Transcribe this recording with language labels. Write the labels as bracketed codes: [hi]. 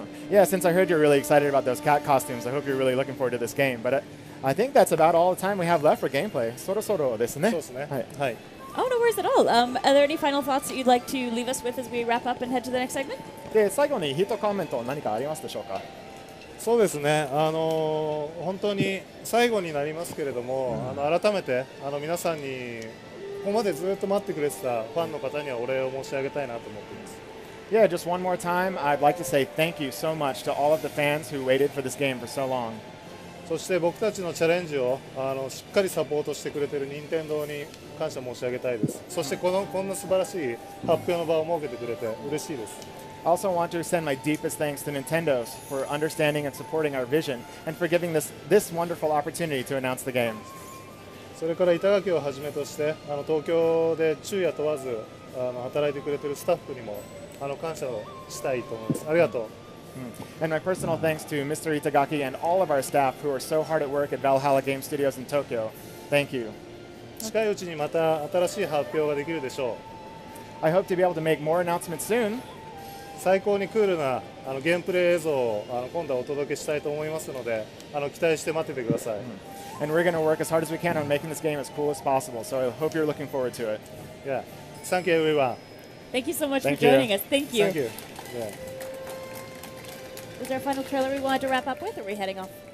[en] Yeah, since I heard you're really excited about those cat costumes, I hope you're really looking forward to this game. But I think that's about all the time we have left for gameplay. [ja] そろそろですね。 [en] Oh, no worries at all. Are there any final thoughts that you'd like to leave us with as we wrap up and head to the next segment? [ja] で、最後にヒットコメント何かありますでしょうか？そうですね。本当に最後になりますけれども、改めて皆さんにここまでずっと待ってくれてたファンの方にはお礼を申し上げたいなと思っています。 [en] Yeah, just one more time. I'd like to say thank you so much to all of the fans who waited for this game for so long. [ja] そして僕たちのチャレンジをしっかりサポートしてくれている任天堂に感謝申し上げたいです。そしてこんな素晴らしい発表の場を設けてくれて嬉しいです。 [en] I also want to send my deepest thanks to Nintendo for understanding and supporting our vision and for giving this wonderful opportunity to announce the game. [ja] それから板垣をはじめとして東京で昼夜問わず働いてくれているスタッフにも感謝をしたいと思います。ありがとう。 [en] And my personal thanks to Mr. Itagaki and all of our staff who are so hard at work at Valhalla Game Studios in Tokyo. Thank you. [ja] 近いうちにまた新しい発表ができるでしょう。 [en] I hope to be able to make more announcements soon. [ja] 最高にクールなゲームプレイ映像を今度はお届けしたいと思いますので期待して待っててください。 [en] And we're going to work as hard as we can on making this game as cool as possible. So I hope you're looking forward to it. Yeah. Thank you, everyone. Thank you so much for joining us. Thank you. Thank you. Yeah. Is there a final trailer we wanted to wrap up with, or are we heading off?